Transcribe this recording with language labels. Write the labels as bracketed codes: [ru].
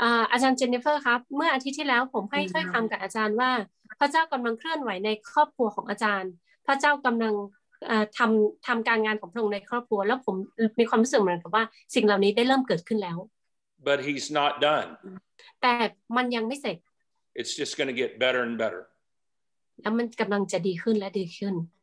[th] อาจารย์เจนนิเฟอร์ครับเมื่ออาทิตย์ที่แล้วผมให้ถ้อยคำกับอาจารย์ว่าพระเจ้ากำลังเคลื่อนไหวในครอบครัวของอาจารย์พระเจ้ากำลังทำการงานของพระองค์ในครอบครัวแล้วผมมีความรู้สึกเหมือนกับว่าสิ่งเหล่านี้ได้เริ่มเกิดขึ้นแล้ว [en] But he's not done. [th] แต่มันยังไม่เสร็จ [en] It's just going to get better and better [th] แล้วมันกำลังจะดีขึ้นและดีขึ้น